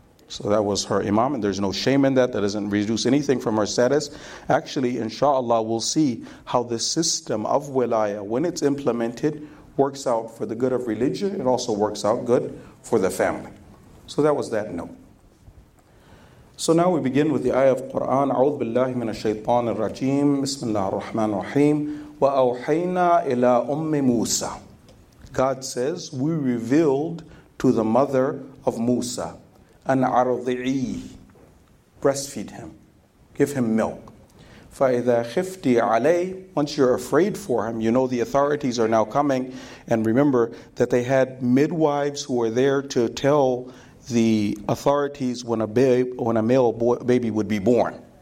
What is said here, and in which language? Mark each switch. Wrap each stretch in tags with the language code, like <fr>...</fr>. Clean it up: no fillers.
<en>So that was her Imam, and there's no shame in that. That doesn't reduce anything from her status. Actually, inshallah, we'll see how the system of wilaya, when it's implemented, works out for the good of religion. It also works out good for the family. So that was that note. So now we begin with the ayah of Quran.</en> <ar>أعوذ بالله من الشيطان الرجيم. بسم الله الرحمن الرحيم. وأوحينا إلى أم موسى.</ar> <en>God says, we revealed to the mother of Musa</en> <ar>أن أرضعي.</ar> <en>Breastfeed him. Give him milk.</en> <ar>فإذا خفتي علي.</ar> <en>Once you're afraid for him, you know the authorities are now coming. And remember that they had midwives who were there to tell the authorities when a male baby would be born.</en>